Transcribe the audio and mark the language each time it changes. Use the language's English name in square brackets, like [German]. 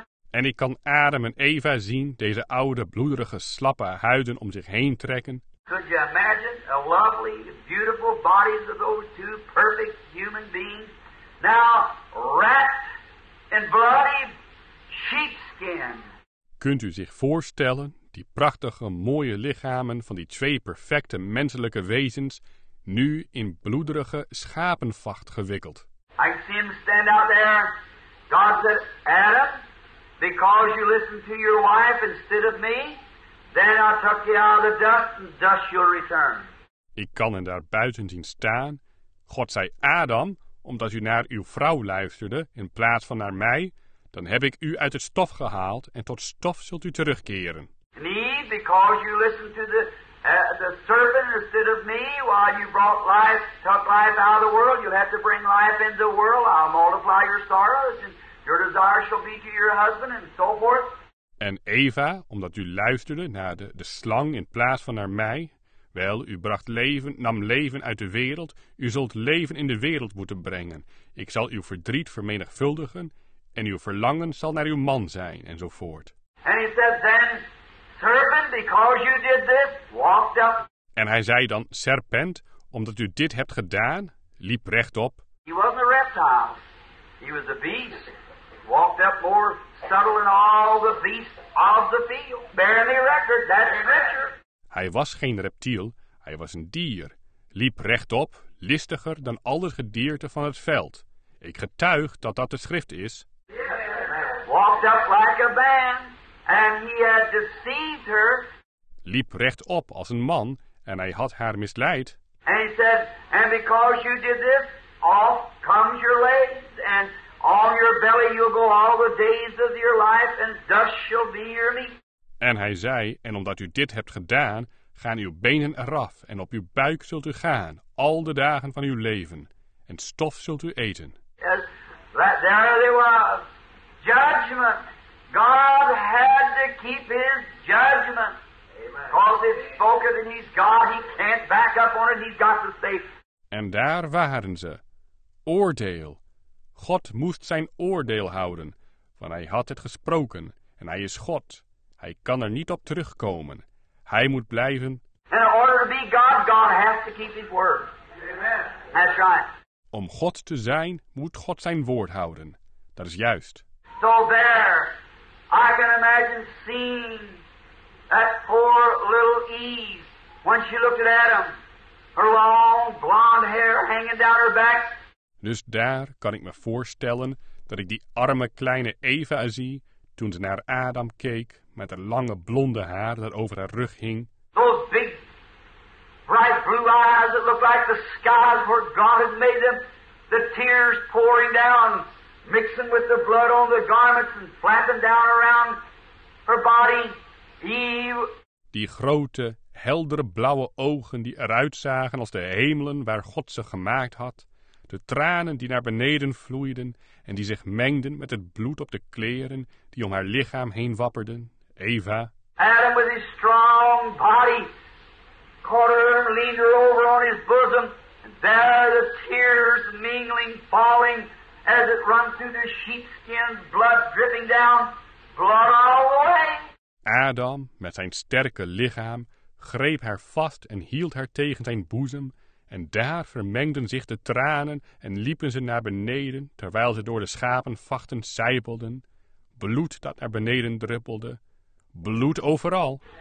[Dutch] En ik kan Adam en Eva zien, deze oude, bloederige, slappe huiden om zich heen trekken. [English] Could you imagine the lovely, beautiful bodies of those two perfect human beings now wrapped in bloody sheepskin. [Dutch] Kunt u zich voorstellen die prachtige, mooie lichamen van die twee perfecte menselijke wezens nu in bloederige schapenvacht gewikkeld? [English] I see him stand out there. God said, Adam, because you listened to your wife instead of me, then I took you out of the dust and dust you'll return. [Dutch] Ik kan hem daar buiten zien staan. God zei, Adam, omdat u naar uw vrouw luisterde in plaats van naar mij, dan heb ik u uit het stof gehaald en tot stof zult u terugkeren. [English] And Eve, because you listened to the serpent instead of me, while you brought life, took life out of the world, you'll have to bring life into the world. I'll multiply your sorrows and your desire shall be to your husband and so forth. [Dutch] En Eva, omdat u luisterde naar de slang in plaats van naar mij, wel, u bracht leven, nam leven uit de wereld, u zult leven in de wereld moeten brengen. Ik zal uw verdriet vermenigvuldigen en uw verlangen zal naar uw man zijn, enzovoort. [English] And he said, then, serpent, because you did this, walked up. [Dutch] En hij zei dan, serpent, omdat u dit hebt gedaan, liep rechtop. [English] He wasn't a reptile, he was a beast. Walked up more subtle than all the beasts of the field. Bear me record, that's scripture. [Dutch] Hij was geen reptiel, hij was een dier. Liep rechtop, listiger dan al het gedierte van het veld. Ik getuig dat dat de schrift is. [English] Walked up like a man, and he had deceived her. [Dutch] Liep rechtop als een man, en hij had haar misleid. [English] And he said, and because you did this, off comes your legs, and on your belly you'll go all the days of your life, and dust shall be your meat. [Dutch] En hij zei, en omdat u dit hebt gedaan, gaan uw benen eraf en op uw buik zult u gaan, al de dagen van uw leven, en stof zult u eten. [English] Yes, there they was. Judgment. God had to keep his judgment. Because he's spoken and he's God, he can't back up on it, he's got to stay. [Dutch] En daar waren ze. Oordeel. God moest zijn oordeel houden, want hij had het gesproken en hij is God. Hij kan er niet op terugkomen. Hij moet blijven. [English] In order to be God, God has to keep his word. Amen. That's right. [Dutch] Om God te zijn, moet God zijn woord houden. Dat is juist. [English] So there, I can imagine seeing that poor little Eve when she looked at Adam, her long blonde hair hanging down her back. [Dutch] Dus daar kan ik me voorstellen dat ik die arme kleine Eva zie toen ze naar Adam keek, met haar lange blonde haar dat over haar rug hing. [English] Those big, bright blue eyes that look like the skies where God has made them. The tears pouring down, mixing with the blood on the garments and flapping down around her body. Eve. [Dutch] Die grote, heldere blauwe ogen die eruit zagen als de hemelen waar God ze gemaakt had. De tranen die naar beneden vloeiden en die zich mengden met het bloed op de kleren die om haar lichaam heen wapperden. Eva. [English] Adam with his strong body caught her and leaned her over on his bosom. And there the tears mingling, falling as it runs through the sheepskin, blood dripping down, blood all the way. [Dutch] Adam, met zijn sterke lichaam, greep haar vast en hield haar tegen zijn boezem. En daar vermengden zich de tranen en liepen ze naar beneden, terwijl ze door de schapenvachten sijpelden. Bloed dat naar beneden druppelde. Bloed overal.